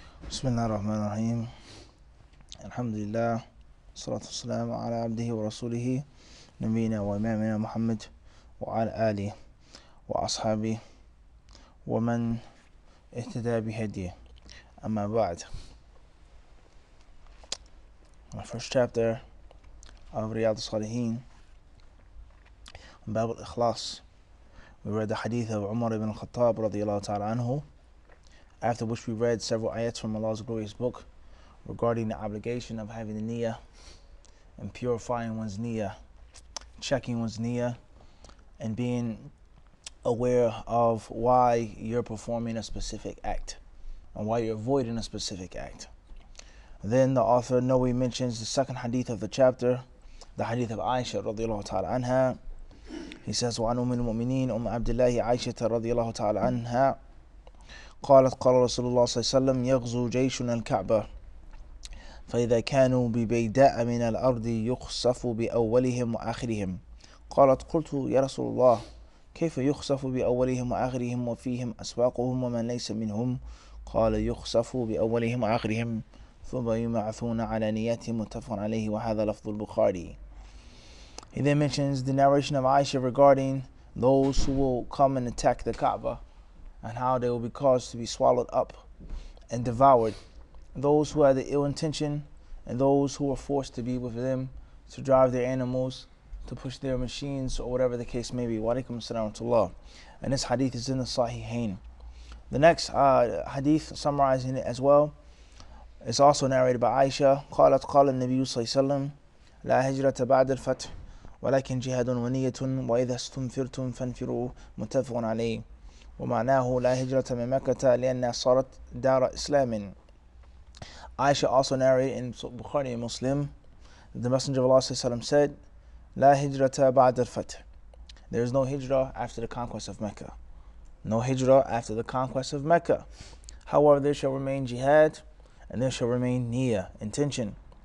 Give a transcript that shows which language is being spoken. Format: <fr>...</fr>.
<ar>بسم الله الرحمن الرحيم الحمد لله والصلاة والسلام على عبده ورسوله نبينا وإمامنا محمد وعلى آله وأصحابه ومن اهتدى بهديه أما بعد.</ar> <en>My first chapter of Riyadh as-Saliheen,</en> <ar>باب الإخلاص.</ar> <en>We read the hadith of Umar ibn al-Khattab</en> <ar>رضي الله تعالى عنه,</ar> <en>after which we read several ayats from Allah's glorious book regarding the obligation of having the niyyah and purifying one's niyyah, checking one's niyyah, and being aware of why you're performing a specific act and why you're avoiding a specific act. Then the author Nawawi mentions the second hadith of the chapter, the hadith of Aisha</en> <ar>radiallahu ta'ala anha.</ar> <en>He says,</en> <ar>وعن أم المؤمنين أم عبد الله عائشة رضي الله تعالى عنها قالت قال رسول الله صلى الله عليه وسلم يغزو جيشنا الكعبة فإذا كانوا ببيداء من الأرض يخسف بأولهم وآخرهم قالت قلت يا رسول الله كيف يخسف بأولهم وآخرهم وفيهم أسواقهم ومن ليس منهم قال يخسف بأولهم وآخرهم ثم يمعثون على نياتهم متفق عليه وهذا لفظ البخاري.</ar> <en>He then mentions the narration of Aisha regarding those who will come and attack the Kaaba and how they will be caused to be swallowed up and devoured. Those who had the ill intention and those who were forced to be with them to drive their animals, to push their machines or whatever the case may be.</en> <ar>Wa alaykum as-salam wa rahmatullah.</ar> <en>And this hadith is in the Sahihain. The next hadith summarizing it as well is also narrated by Aisha.</en> <ar>Qalat qala an-Nabiy sallallahu alayhi wa sallam la hijrata ba'da al-fath ولكن جهاد ونية وإذا استنفرتم فانفروا متفق عليه ومعناه لا هجرة من مكة لأنها صارت دار إسلام.</ar> <en>Aisha also narrated in Bukhari and Muslim that the Messenger of Allah</en> <ar>صلى الله عليه وسلم</ar> <en>said</en> <ar>لا هجرة بعد الفتح.</ar> <en>There is no hijra after the conquest of Mecca. No hijra after the conquest of Mecca. However, there shall remain jihad and there shall remain niyya, intention.</en>